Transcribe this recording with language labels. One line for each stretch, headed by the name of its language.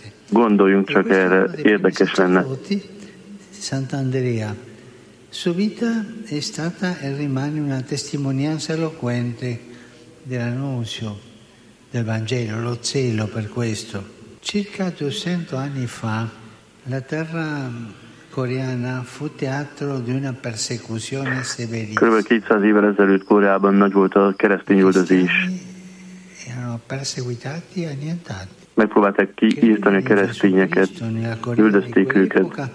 Hungarian: Gondoljunk csak erre, érdekes lenne. Szent Andrea.
Italian: Sua vita è stata e rimane una testimonianza eloquente dell'annuncio del Vangelo, lo zelo per questo. Circa 200 anni fa la terra coreana fu teatro di una persecuzione severissima.
Hungarian: Körülbelül 200 évvel ezelőtt Koreában nagy volt a keresztényüldözés.
Italian: Erano perseguitati, annientati.
Hungarian: Megpróbálták kiirtani a keresztényeket, üldözték őket.